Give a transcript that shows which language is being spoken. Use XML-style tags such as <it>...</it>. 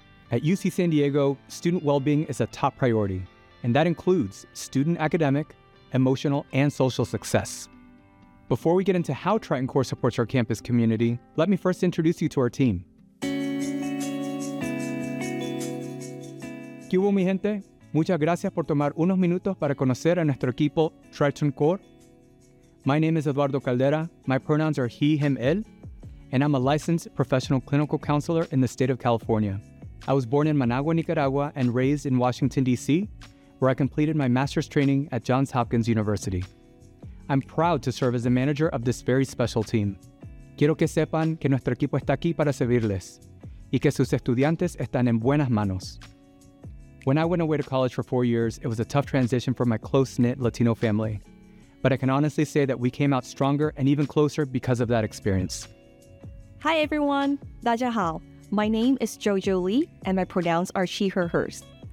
<en>At UC San Diego, student well-being is a top priority, and that includes student academic, emotional, and social success. Before we get into how Triton Core supports our campus community, let me first introduce you to our team.</en> <es>¿Qué hubo, mi gente? Muchas gracias por tomar unos minutos para conocer a nuestro equipo, Triton Core.</es> <en>My name is Eduardo Caldera. My pronouns are he, him, él, and I'm a licensed professional clinical counselor in the state of California. I was born in Managua, Nicaragua, and raised in Washington, D.C., where I completed my master's training at Johns Hopkins University. I'm proud to serve as the manager of this very special team.</en> <es>Quiero que sepan que nuestro equipo está aquí para servirles y que sus estudiantes están en buenas manos.</es> <en>When I went away to college for 4 years, it was a tough transition for my close-knit Latino family, but I can honestly say that we came out stronger and even closer because of that experience. Hi, everyone.</en> <zh>大家好.</zh> <en>My name is Jojo Lee, and my pronouns are she, her, hers.</en>